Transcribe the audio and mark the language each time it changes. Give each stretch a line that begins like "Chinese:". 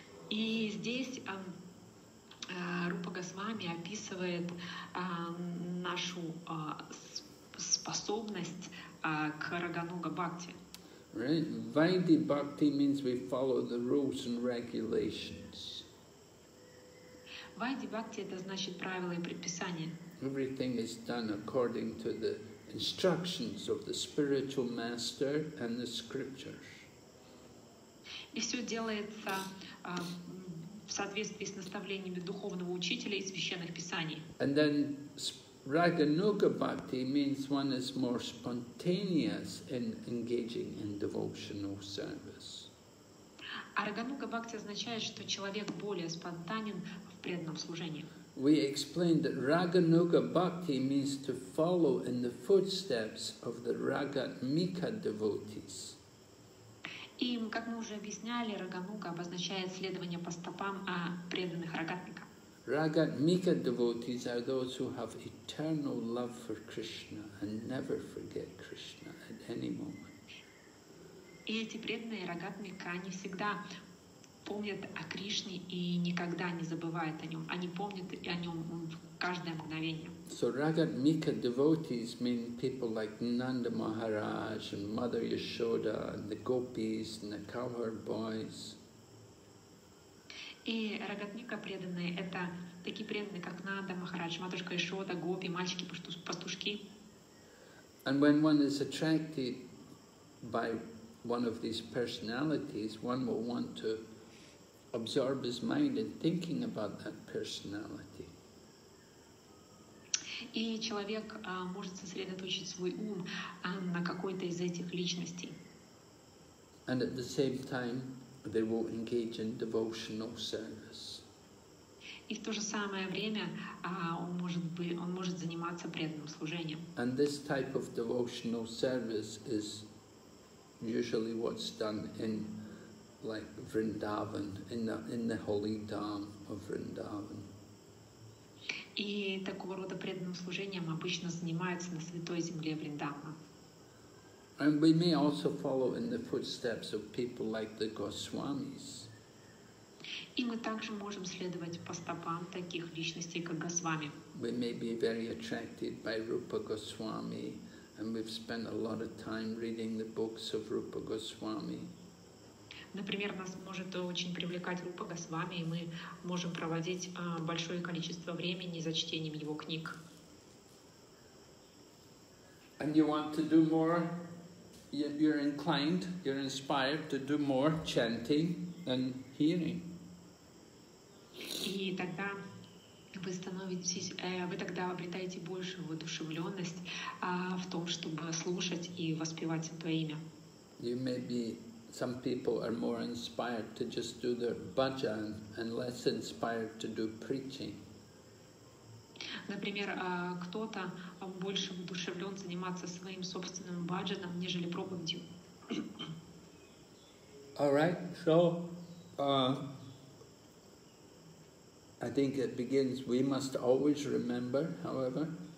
Russian: И здесь Рупа Госвами описывает нашу способность к Рагануга Бхакти.
English: Right. Vaidhi Bhakti means we follow the rules and regulations.
Russian: Vaidhi Bhakti – это значит правила и предписания.
English: Everything is done according to the instructions of the spiritual master and the scriptures.
Russian: И все делается в соответствии с наставлениями духовного учителя и священных писаний.
English: And then Raganuga Bhakti means one is more spontaneous in engaging in devotional service.
Russian: А Рагануга Бхакти означает, что человек более спонтанен в преданном служении.
English: We explained that Raganuga Bhakti means to follow in the footsteps of the Raganika devotees.
Russian: И, как мы уже объясняли, Рагануга обозначает следование по стопам преданных рагатмика.
English: Рагатмика devotees are those who have eternal love for Krishna and never forget Krishna at any moment.
Russian: И эти преданные рагатмика, они всегда помнят о Кришне и никогда не забывают о нем. Они помнят о нем каждое мгновение.
English: So Ragatmika devotees mean people like Nanda Maharaj and Mother Yashoda and the gopis and the cowherd boys.
Russian: И Рагатмика преданные – это такие преданные, как Нанда Махарадж, Матушка Ишода, гопи, мальчики, пастушки.
English: And when one is attracted by one of these personalities, one will want to absorb his mind in thinking about that personality.
Russian: И человек может сосредоточить свой ум на какой-то из этих личностей.
English: And at the same time, they will engage in devotional service.
Russian: И в то же самое время он может заниматься преданным служением.
English: And this type of devotional service is usually what's done in like Vrindavan, in the holy dharm of Vrindavan.
Russian: И такого рода преданным служением обычно занимаются на святой земле Вриндавана.
English: And we may also follow in the footsteps of people like the Goswamis.
Russian: И мы также можем следовать по стопам таких личностей, как Госвами.
English: We may be very attracted by Rupa Goswami, and we've spent a lot of time reading the books of Rupa Goswami.
Russian: Например, нас может очень привлекать Рупа Госвами, и мы можем проводить большое количество времени за чтением его книг.
English: And you want to do more? You're inclined, you're inspired to do more chanting than hearing.
Russian: И тогда вы становитесь, вы тогда обретаете большую воодушевленность в том, чтобы слушать и воспевать это имя.
English: You may be, some people are more inspired to just do their bhajan and less inspired to do preaching.
Russian: Например, кто-то больше воодушевлен заниматься своим собственным бхаджаном, нежели проповедью.
English: All right, so I think it begins, we must always remember, however.